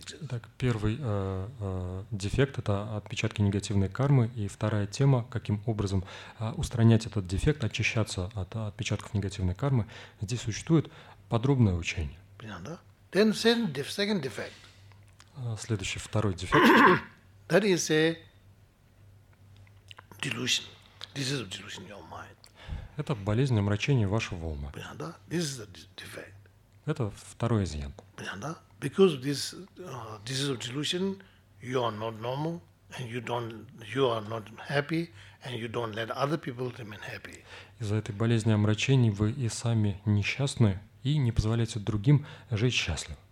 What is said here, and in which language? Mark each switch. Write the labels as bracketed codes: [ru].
[ru] Так, первый дефект — это отпечатки негативной кармы, и вторая тема, каким образом устранять этот дефект, очищаться от отпечатков негативной кармы, здесь существует подробное учение. Понятно? [en] Then second defect. [ru] Следующий, второй дефект. [en] That is a delusion. This is a delusion in your mind. [ru] Это болезнь омрачения вашего ума. Понятно? [en] This is a defect. [ru] Это второй изъян. Понятно? [en] Because this this is a delusion, you are not normal, and you are not happy, and you don't let other people remain happy. [ru] Из-за этой болезни омрачений вы и сами несчастны и не позволяете другим жить счастливо.